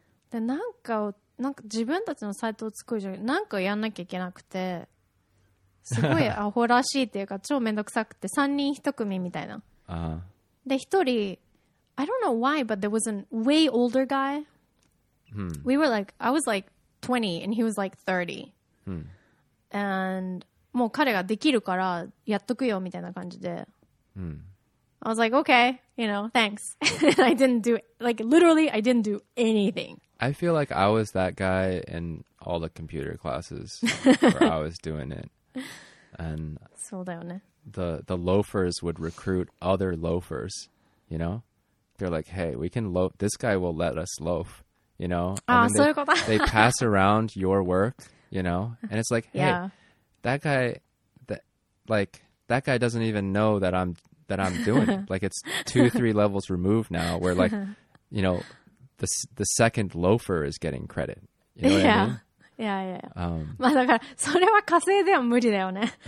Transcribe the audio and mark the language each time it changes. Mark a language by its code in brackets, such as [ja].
[ja] で、なんか自分たちのサイトを作るじゃん。なんかやんなきゃいけなくて、すごいアホらしいっていうか、超めんどくさくて、3人1組みたいな。で、1人、 [en] I don't know why, but there was a way older guy. We were like, I was like 20 and he was like 30. And [ja] もう彼ができるからやっとくよみたいな感じで。 [en] I was like, okay, you know, thanks. And I didn't do, like, literally, I didn't do anything. I feel like I was that guy in all the computer classes where I was doing it. And [ja] そうだよね。 [en] The loafers would recruit other loafers, you know? They're like, hey, we can loaf. This guy will let us loaf, you know? [ja] Ah, そういうこと。 [en] They pass around your work, you know? And it's like, hey, yeah. that guy doesn't even know that I'm doing it. Like, it's 2-3 levels removed now where, like, you know, the second loafer is getting credit. You know what yeah. I mean? Yeah, yeah, yeah. [ja] まあだからそれは火星では無理だよね。